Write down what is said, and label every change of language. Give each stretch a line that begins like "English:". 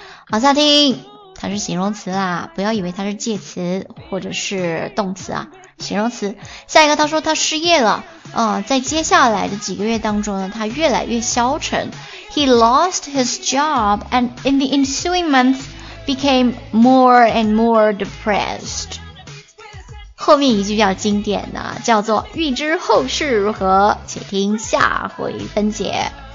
Chinese: 往下听，它是形容词啦，不要以为它是介词或者是动词啊，形容词。下一个他说他失业了，在接下来的几个月当中呢，他越来越消沉。
English: He lost his job and in the ensuing month became more and more depressed.
Chinese: 后面一句比较经典呢，叫做预知后事如何，且听下回分解。